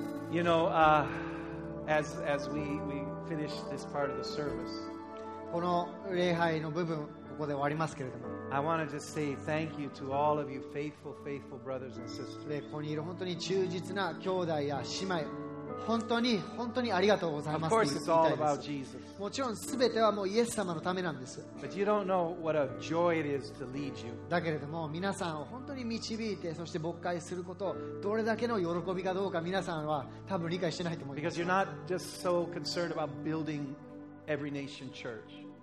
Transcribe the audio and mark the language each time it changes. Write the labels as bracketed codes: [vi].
[en] You know, as we finish this part of the service, [ja] この礼拝の部分ここで終わりますけれども、 [en] I want to just say thank you to all of you faithful brothers and sisters. [ja] ここにいる本当に忠実な兄弟や姉妹、本当に本当にありがとうございます。 [en] Of course, it's all about Jesus. [ja] もちろんすべてはもうイエス様のためなんです。 [en] But you don't know what a joy it is to lead you. [ja] だけれども皆さんを本当に導いて、そして牧会することどれだけの喜びかどうか皆さんは多分理解してないと思います。 [en] Because you're not just so concerned about building every nation church.